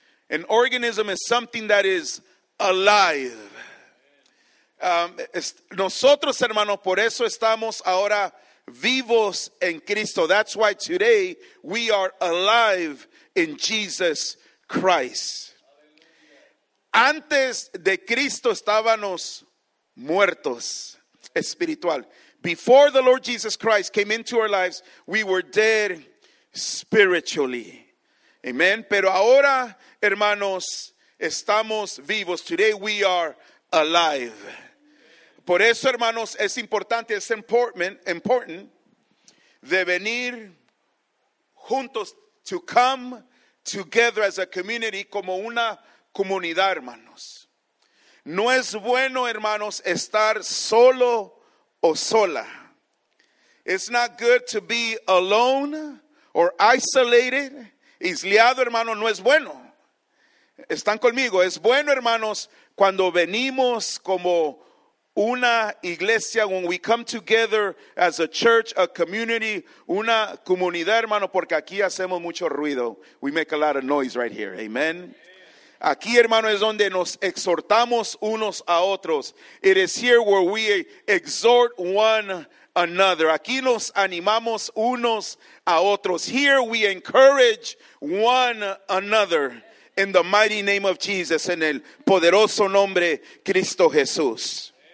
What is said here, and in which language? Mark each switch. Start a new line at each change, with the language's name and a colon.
English: An organism is something that is alive.
Spanish: Nosotros, hermanos, por eso estamos ahora vivos en Cristo.
English: That's why today we are alive in Jesus Christ.
Spanish: Antes de Cristo estábamos muertos espiritual.
English: Before the Lord Jesus Christ came into our lives, we were dead spiritually.
Spanish: Amen. Pero ahora, hermanos, estamos vivos.
English: Today we are alive.
Spanish: Por eso, hermanos, es importante, es important de venir juntos,
English: to come together as a community,
Spanish: como una comunidad, hermanos. No es bueno, hermanos, estar solo o sola.
English: It's not good to be alone or isolated.
Spanish: Isleado, hermano, no es bueno. Están conmigo. Es bueno, hermanos, cuando venimos como una iglesia,
English: when we come together as a church, a community,
Spanish: una comunidad, hermano, porque aquí hacemos mucho ruido.
English: We make a lot of noise right here. Amen.
Spanish: Aquí, hermano, es donde nos exhortamos unos a otros.
English: It is here where we exhort one another.
Spanish: Aquí nos animamos unos a otros.
English: Here we encourage one another in the mighty name of Jesus,
Spanish: en el poderoso nombre Cristo Jesús.